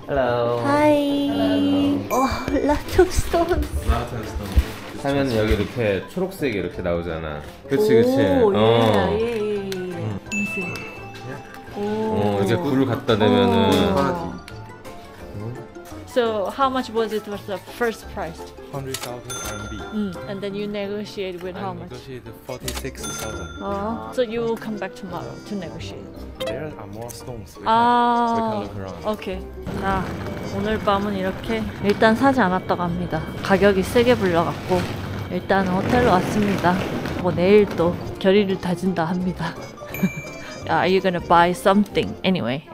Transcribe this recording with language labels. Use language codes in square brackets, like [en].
[en] Hello. Hi. Hello. Oh, lot of stones. Lot of stones. [ko] 사면 여기 이렇게 초록색이 이렇게 나오잖아. 그치, 그치. 오, 예, 어. 예, 예, 예. 오, 오, 이제 굴을 갖다 대면은. [en] So how much was it for the first price? 100,000 RMB. And then you negotiate with how much? I negotiated 46,000. So you will come back tomorrow to negotiate. There are more stones. Okay. [ko] 자, 오늘 밤은 이렇게 일단 사지 않았다고 합니다. 가격이 세게 불려갖고 일단 호텔로 왔습니다. 뭐 내일 또 결의를 다진다 합니다. [en] Are you gonna buy something anyway?